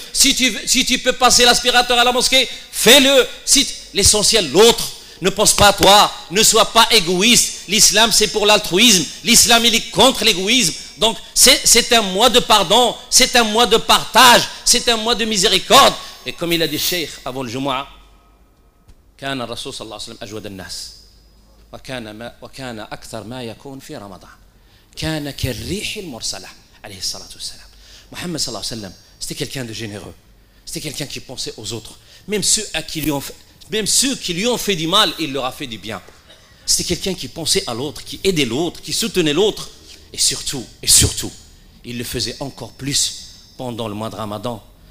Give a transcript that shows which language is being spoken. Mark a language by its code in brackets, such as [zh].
[fr] Si tu peux passer l'aspirateur à la mosquée, fais-le. L'essentiel, l'autre. Ne pense pas à toi. Ne sois pas égoïste. L'islam, c'est pour l'altruisme. L'islam, il est contre l'égoïsme. Donc, c'est un mois de pardon. C'est un mois de partage. C'est un mois de miséricorde. Et comme il a dit Cheikh avant le Jumu'ah, [ar] كان الرسول صلى الله عليه وسلم أجود الناس وكان أكثر ما يكون في رمضان كان كالريح المرسلة عليه الصلاة والسلام. محمد صلى الله عليه وسلم [fr] c'était quelqu'un de généreux, c'était quelqu'un qui pensait aux autres, même ceux qui lui ont fait du mal, il leur a fait du bien. C'était quelqu'un qui pensait à l'autre, qui aidait l'autre, qui soutenait l'autre, et surtout il le faisait encore plus pendant le mois de Ramadan.